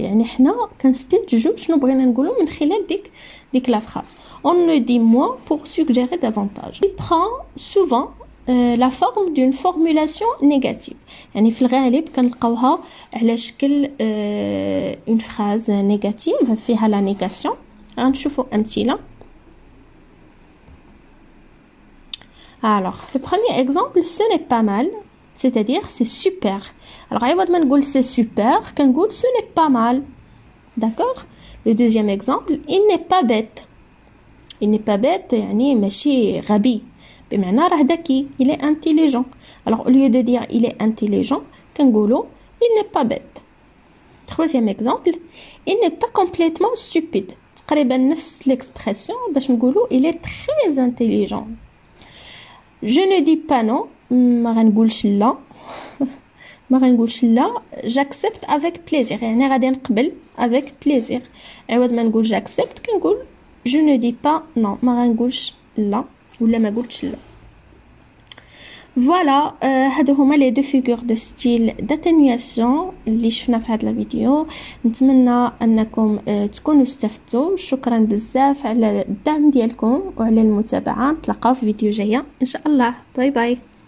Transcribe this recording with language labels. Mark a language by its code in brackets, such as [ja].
[ar] يعني حنا كنستنتجو شنو بغينا نقولو من خلال ديك لا فراز. [fr] On ne dit moins pour suggérer davantage. Il prend souvent la forme d'une formulation négative. [ar] يعني في الغالب كنلقاوها على شكل اون فراز نيجاتيف فيها لا نيغاسيون. غنشوفوا امثله. [fr] alors le premier exemple ce n'est pas mal c'est-à-dire c'est super. alors [ar] عوض ما نقول [fr] c'est super كنقول ce n'est pas mal. d'accord. le deuxième exemple il n'est pas bête. il n'est pas bête [ar] يعني ماشي غبي بمعنى راه ذكي. [fr] il est intelligent. alors au lieu de dire il est intelligent كنقولوا il n'est pas bête. troisième exemple il n'est pas complètement stupide. [ar] تقريبا نفس [fr] l'expression باش نقولوا il est très intelligent. je ne dis pas non [ar] ما غنقولش لا ما غنقولش لا [fr] j'accepte avec plaisir [ar] يعني غادي نقبل [fr] avec plaisir. [ar] عوض ما نقول j'accepte كنقول [fr] je ne dis pas non [ar] ما غنقولش لا ولا ما قلتش لا. فوالا هادو هما لي دو فيغور دو ستيل داتينياسيون اللي شفنا في هاد الفيديو. نتمنى انكم تكونوا استفدتوا. شكرا بزاف على الدعم ديالكم وعلى المتابعه. نتلاقاو في فيديو جايه ان شاء الله. باي باي.